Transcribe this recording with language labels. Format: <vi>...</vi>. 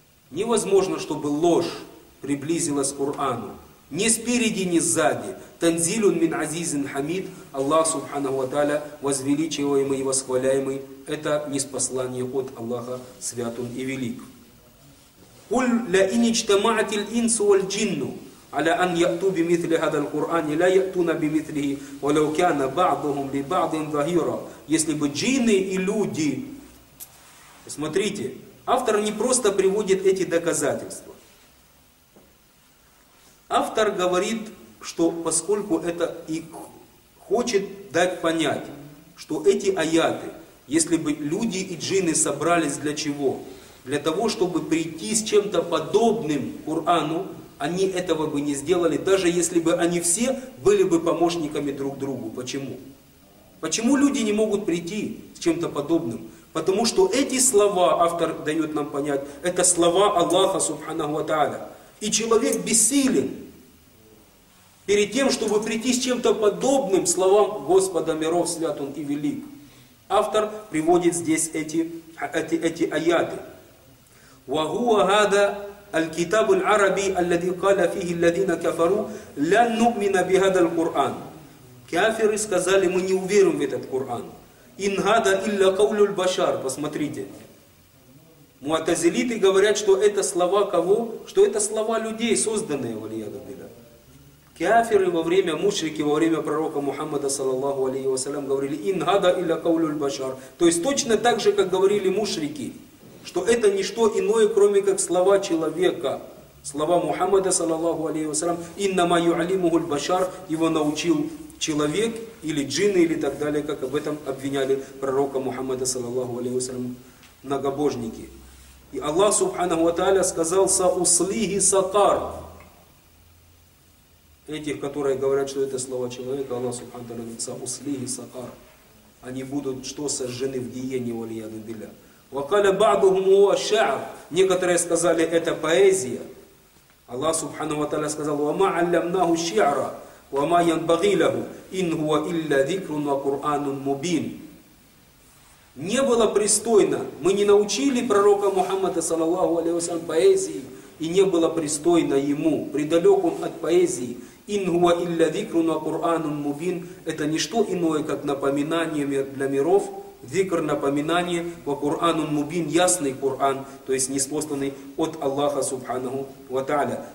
<ru>Невозможно, чтобы ложь приблизилась к Корану. Ни спереди, ни сзади. Танзилун мин азизин хамид, Аллах субханаху ва тааля, возвеличиваемый и восхваляемый. Это ниспослание от Аллаха, свят он и велик.</ru> <ar>قل لئن اجتمعت الإنس والجن على أن يأتوا بمثل هذا القرآن لا يأتون بمثله ولو كان بعضهم لبعض ظهيرا.</ar> <ru>Если бы джинны и люди, смотрите, автор не просто приводит эти доказательства. Автор говорит, что поскольку это и хочет дать понять, что эти аяты, если бы люди и джинны собрались для чего? Для того, чтобы прийти с чем-то подобным Корану, они этого бы не сделали, даже если бы они все были бы помощниками друг другу. Почему? Почему люди не могут прийти с чем-то подобным? Потому что эти слова, автор дает нам понять, это слова Аллаха субханаху ва тааля. И человек бессилен перед тем, чтобы прийти с чем-то подобным словам Господа миров, свят он и велик. Автор приводит здесь эти аяты.</ru> <ar>وهو هذا الكتاب العربي الذي قال فيه الذين كفروا لن نؤمن بهذا القرآن.</ar> <ru>كافر сказали, мы не уверим в этот Коран.</ru> <ar>إن هذا إلا قول البشر.</ar> <ru>Посмотрите, муатазилиты говорят, что это слова кого? Что это слова людей, созданные валиядабилля. Кафиры во время мушрики, во время пророка Мухаммада, саллаллаху алейхи ва саллям, говорили</ru> <ar>إن هذا إلا قول البشر.</ar> <ru>То есть точно так же, как говорили мушрики, что это ничто иное, кроме как слова человека, слова Мухаммада, саллаллаху алейхи ва саллям,</ru> <ar>иннама юалимуху аль-башар,</ar> <ru>его научил человек или джинны или так далее, как об этом обвиняли пророка Мухаммада, саллаллаху алейхи ва саллям, многобожники. И Аллах субханаху ва тааля сказал: сауслихи сакар. Этих, которые говорят, что это слова человека, Аллах субханаху ва тааля говорит: сауслихи сакар. Они будут что сожжены в гиене, валиаду билля.</ru> <ar>وقال بعضهم هو الشعر.</ar> <ru>Некоторые сказали, это поэзия. Аллах субхана ва тааля сказал:</ru> <ar>وما علمناه الشعر وما ينبغي له إن هو إلا ذكر وقرآن مبين.</ar> <ru>Не было пристойно. Мы не научили пророка Мухаммада саллаллаху алейхи ва саллям поэзии, и не было пристойно ему. Предалек он от поэзии.</ru> <ar>إن هو إلا ذكر وقرآن مبين.</ar> <ru>Это не что иное, как напоминание для миров. Дикр, напоминание, ва Кур'анун мубин, ясный Кур'ан, то есть ниспосланный от Аллаха субханаху ва тааля.</ru>